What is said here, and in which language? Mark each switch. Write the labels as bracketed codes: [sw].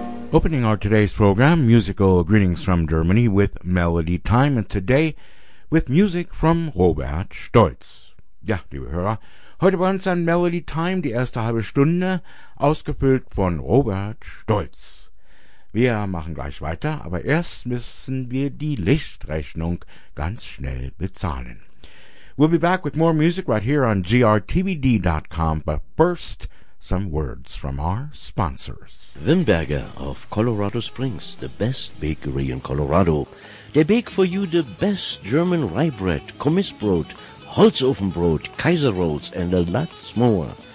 [en] opening our today's program, Musical Greetings from Germany with Melody Time, and today with music from Robert Stolz. [de] Ja, liebe Hörer, heute bei uns an Melody Time, die erste halbe Stunde, ausgefüllt von Robert Stolz. Wir machen gleich weiter, aber erst müssen wir die Lichtrechnung ganz schnell bezahlen. [en] We'll be back with more music right here on GRTVD.com, but first, some words from our sponsors. Wimberger of Colorado Springs, the best bakery in Colorado. They bake for you the best German rye bread, Kommissbrot, Holzofenbrot, Kaiser Rolls, and a lot more.